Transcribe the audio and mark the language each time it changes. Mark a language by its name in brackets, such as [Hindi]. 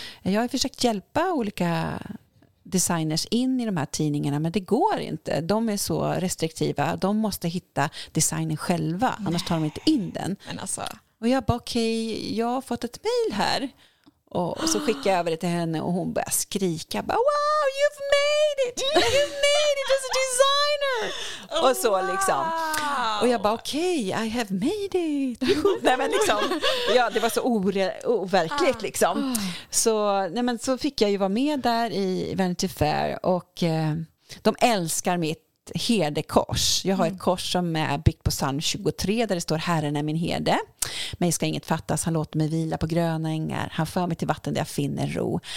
[Swedish] Jag har försökt hjälpa olika designers in i de här tidningarna, men det går inte. De är så restriktiva. De måste hitta designen själva. Nej. Annars tar de inte in den. Men alltså. Och jag bara, okej, jag har fått ett mail här. Och så skickar jag över det till henne och hon börjar skrika. Bara, [English] wow, you've made it as a designer. Oh, [Swedish] och så [English] wow. [Swedish] Liksom. Och jag bara, okej, [English] okay, I have made it. [Swedish] Nej, men liksom, ja, det var så overkligt liksom. Så, nej, men så fick jag ju vara med där i Vanity Fair. Och de älskar mitt herdekors. Jag har ett kors som är byggt på psalm 23 där det står, Herren är min herde. Men jag ska inget fattas, han låter mig vila på gröna ängar. Han för mig till vatten där jag finner ro.